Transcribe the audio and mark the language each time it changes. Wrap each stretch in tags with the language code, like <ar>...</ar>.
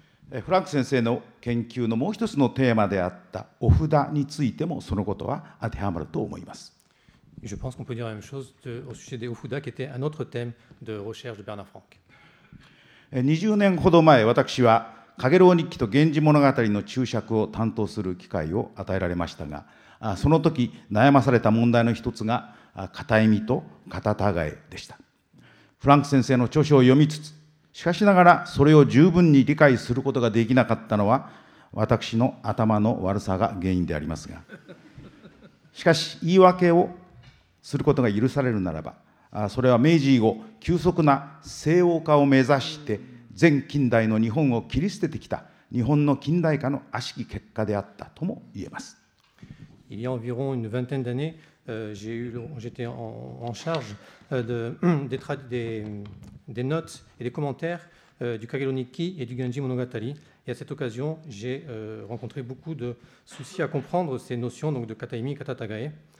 <ja>フランク先生の研究のもう一つのテーマであったお札についてもそのことは当てはまると思います。</ja> <fr>Je pense qu'on peut dire la même chose au sujet des Ofuda, qui était un autre thème de recherche de Bernard Franck.</fr> <ja>20 年ほど前、私は「かげろう日記」と「源氏物語」の注釈を担当する機会を与えられましたが、その時悩まされた問題の一つが「片意味」と「片たがい」でした。フランク先生の著書を読みつつ、しかしながらそれを十分に理解することができなかったのは、私の頭の悪さが原因でありますが、しかし言い訳をすることが許されるならば、それは明治以後、急速な西欧化を目指して、全近代の日本を切り捨ててきた日本の近代化の悪しき結果であったとも言えます。</ja> <fr>Il y a environ une vingtaine d'années, j'étais en charge des notes et des commentaires du Kagero Nikki et du Genji Monogatari. Et à cette occasion, j'ai rencontré beaucoup de soucis à comprendre ces notions donc de Kataimi et Katatagae.</fr>